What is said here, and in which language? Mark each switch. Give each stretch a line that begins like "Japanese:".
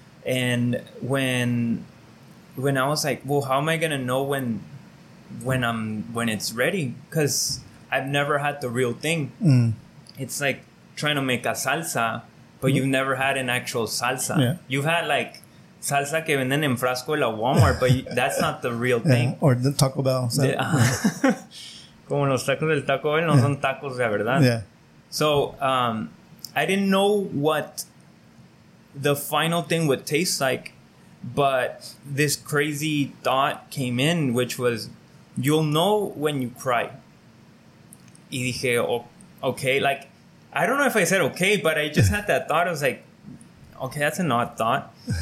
English: And when I was like, well, how am I gonna know when it's ready, because I've never had the real thing. It's like trying to make a salsa, but you've never had an actual salsa. You've had like
Spanish: salsa que venden en frasco de la Walmart,
English: but that's not the real thing. Yeah, or the Taco Bell. So. Yeah.
Spanish: Como los tacos del Taco Bell no son tacos de verdad.
English: Yeah. So I didn't know what the final thing would taste like, but this crazy thought came in, which was, you'll know when you cry.
Spanish: Y dije,
English: oh, okay. Like, I don't know if I said okay, but I just had that thought. I was like, okay, that's an odd thought.